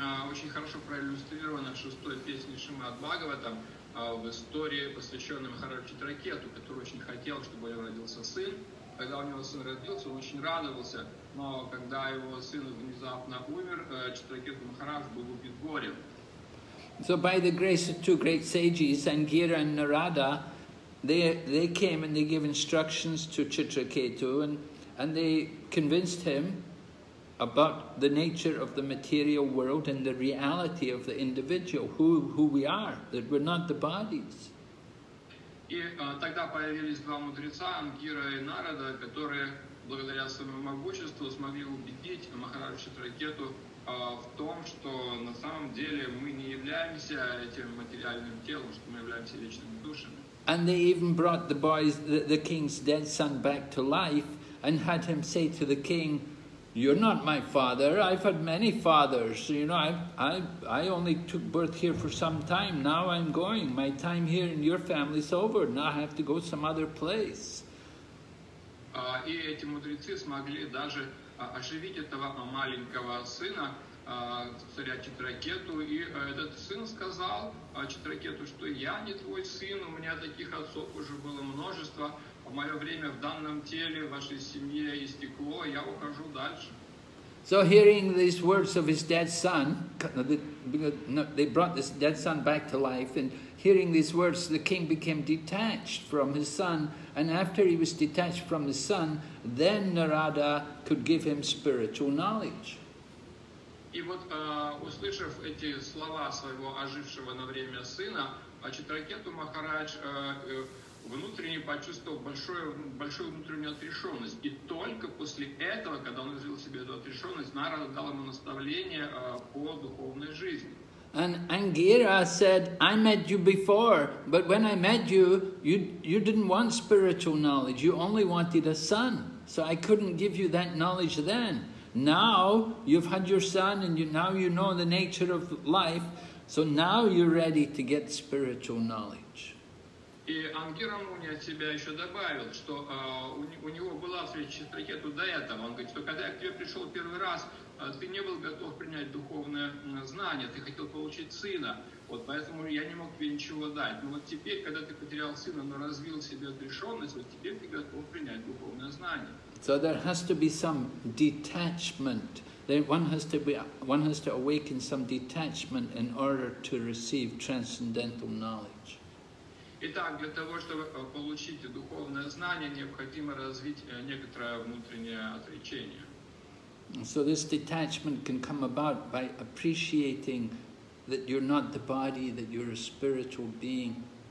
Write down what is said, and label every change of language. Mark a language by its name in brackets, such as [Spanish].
[Russian] Очень хорошо проиллюстрировано в шестой песне Шримад Бхагаватам в истории, посвященной Махараджу Читракету, который очень хотел, чтобы у него родился сын. Когда у него сын родился, он очень радовался, но когда его сын внезапно умер, Читракету Махарадж был убит горем. [English] So by the grace of two great sages, Ангира and Нарада, they came and they gave instructions to Chitraketu and they convinced him about the nature of the material world and the reality of the individual, who we are, that we're not the bodies. [Russian] И тогда появились два мудреца, Ангира и Нарада, которые благодаря своему могуществу смогли убедить Махараджу Читракету в том, что на самом деле мы не являемся этим материальным телом, что мы являемся вечными душами. [English] And they even brought the boy's, the king's dead son back to life and had him say to the king, "You're not my father. I've had many fathers. You know, I only took birth here for some time. Now I'm going. My time here in your family's over. Now I have to go some other place." [Russian] И эти мудрецы смогли даже оживить этого маленького сына царя Читракету, и этот сын сказал Читракету, что я не твой сын. У меня таких отцов уже было множество. В мое время в данном теле вашей семье истекло, я ухожу дальше. [English] So hearing these words of his dead son, they brought this dead son back to life, and hearing these words, the king became detached from his son, and after he was detached from his son, then Narada could give him spiritual knowledge. [Russian] И вот, услышав эти слова своего ожившего на время сына, Читракету Махарадж внутренне почувствовал большую внутреннюю отрешенность. И только после этого, когда он развил в себе эту отрешенность, Нарада дал ему наставление по духовной жизни. [English] And Ангира said, "I met you before, but when I met you, you didn't want spiritual knowledge, you only wanted a son. So I couldn't give you that knowledge then. Now you've had your son and now you know the nature of life, so now you're ready to get spiritual knowledge." [Russian] И Ангира Муни от себя еще добавил, что у него была встреча с Читракету до этого. Он говорит, что когда я к тебе пришел первый раз, ты не был готов принять духовное знание, ты хотел получить сына. Вот поэтому я не мог тебе ничего дать. Но вот теперь, когда ты потерял сына, но развил в себе отрешенность, вот теперь ты готов принять духовное знание. [English] So there has to be some detachment. One has to awaken some detachment in order to receive transcendental knowledge. [Russian] Итак, для того, чтобы получить духовное знание, необходимо развить некоторое внутреннее отречение. [English] So this detachment can come about by appreciating that you're not the body, that you're a spiritual being.